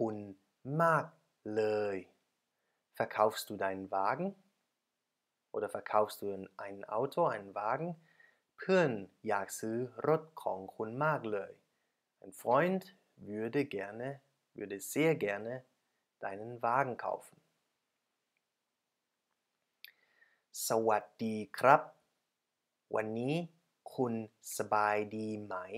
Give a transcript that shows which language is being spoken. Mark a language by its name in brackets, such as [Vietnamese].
[Thai] อยากซื้อรถของคุณมากเลย. [German] Verkaufst du deinen Wagen? Oder verkaufst du ein Auto, einen Wagen? [Thai] เพื่อนอยากซื้อรถของคุณมากเลย. [German] Ein Freund würde sehr gerne deinen Wagen kaufen. [Thai] สวัสดีครับ. วันนี้คุณสบายดีไหม?